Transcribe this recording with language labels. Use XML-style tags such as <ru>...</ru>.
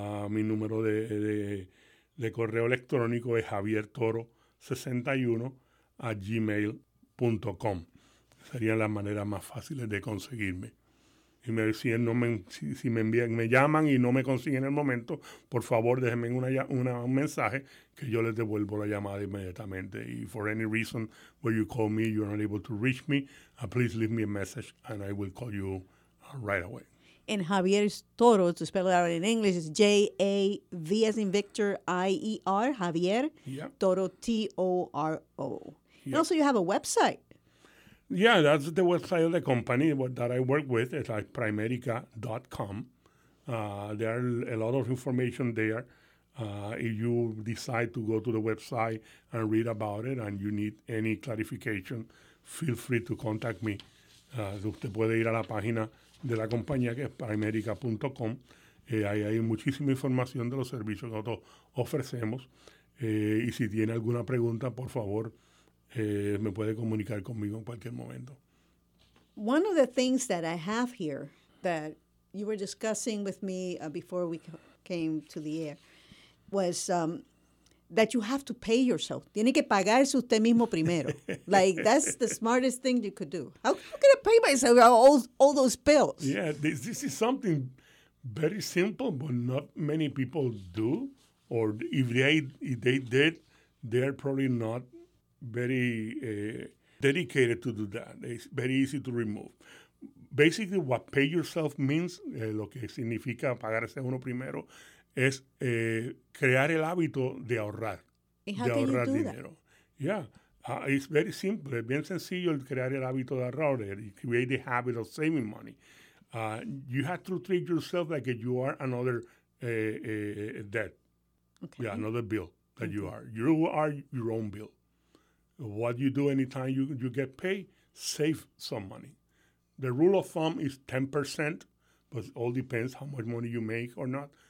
<es>Mi número de correo electrónico es javiertoro61@gmail.com. Serían las maneras más fáciles de conseguirme. Y si me llaman y no me consiguen en el momento, por favor déjenme un mensaje que yo les devuelvo la llamada inmediatamente. Y</es> <en>for any reason where you call me, you're not able to reach me, please leave me a message and I will call you right away. And Javier Toro, to spell it out in English, is J-A-V as in Victor, I-E-R, Javier, Toro, T-O-R-O. Yep. And also you have a website. Yeah, that's the website of the company that I work with. It's like Primerica.com. There are a lot of information there. If you decide to go to the website and read about it and you need any clarification, feel free to contact me.</en> <es>Usted puede ir a la página de la compañía, que es Primerica.com. Ahí hay muchísima información de los servicios que nosotros ofrecemos. Y si tiene alguna pregunta, por favor, me puede comunicar conmigo en cualquier momento.</es> <en>One of the things that I have here that you were discussing with me before we came to the air was that you have to pay yourself.</en> <es>Tiene que pagarse usted mismo primero.</es> <en>Like, that's the smartest thing you could do. How can I pay myself all those bills? Yeah, this is something very simple, but not many people do. Or if they did, they're probably not very dedicated to do that. It's very easy to remove. Basically, what pay yourself means,</en> <es>lo que significa pagarse uno primero, es crear el hábito de ahorrar. De ahorrar dinero.</es> <en>It's very simple.</en> <es>Es bien sencillo el crear el hábito de ahorrar.</es> <en>You create the habit of saving money. You have to treat yourself like you are another debt. Okay. Yeah, another bill that you are. You are your own bill. What you do anytime you get paid, save some money. The rule of thumb is 10%, but it all depends how much money you make or not.</en>